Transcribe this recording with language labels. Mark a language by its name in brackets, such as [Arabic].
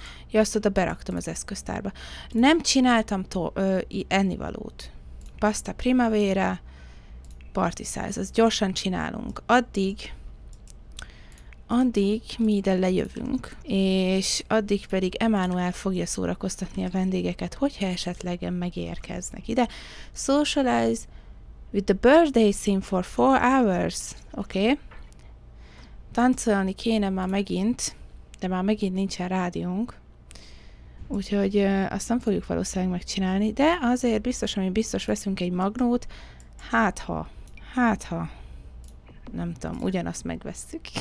[Hungarian] Ja, azt oda beraktam az eszköztárba. Nem csináltam ennivalót. [English] Pasta primavera. Party size. [Hungarian] Azt gyorsan csinálunk. Addig mi ide lejövünk. És addig pedig Emmanuel fogja szórakoztatni a vendégeket, hogyha esetleg megérkeznek ide. [English] Socialize with the birthday scene for 4 hours. Oké. Okay. [Hungarian] Táncolni kéne már megint. De már megint nincsen rádiónk. Úgyhogy azt nem fogjuk valószínűleg megcsinálni, de azért biztos, ami biztos, veszünk egy magnót, hátha, nem tudom, ugyanazt megvesszük.